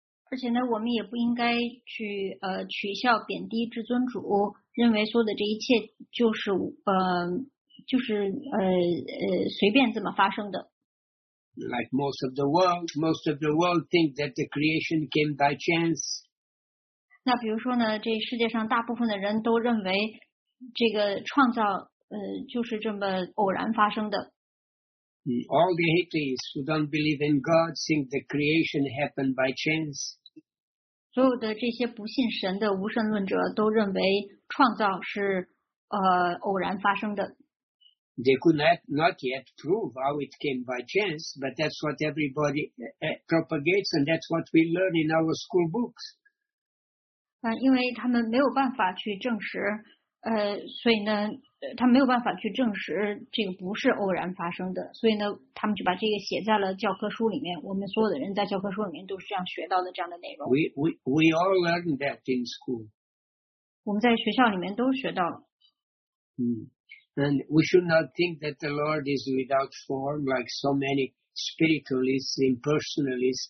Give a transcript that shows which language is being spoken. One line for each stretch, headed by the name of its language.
Chinese: 而且呢我们也不应该去取笑贬低至尊主认为所有的这一切就是随便这么发生的。
English: Like most of the world think that the creation came by chance.
Chinese: 那比如说呢这世界上大部分的人都认为这个创造就是这么偶然发生的。
English: All the atheists who don't believe in God think the creation happened by chance.
Chinese: 所有的这些不信神的无神论者都认为创造是偶然发生的。
English: They could not yet prove how it came by chance, but that's what everybody propagates, and that's what we learn in our school books.
Chinese: 因为他们没有办法去证实，所以呢，他没有办法去证实这个不是偶然发生的，所以呢，他们就把这个写在了教科书里面。我们所有的人在教科书里面都是这样学到的这样的内容。
English: We all learn that in school.
Chinese: 我们在学校里面都学到了。
English: And we should not think that the Lord is without form, like so many spiritualists, impersonalists.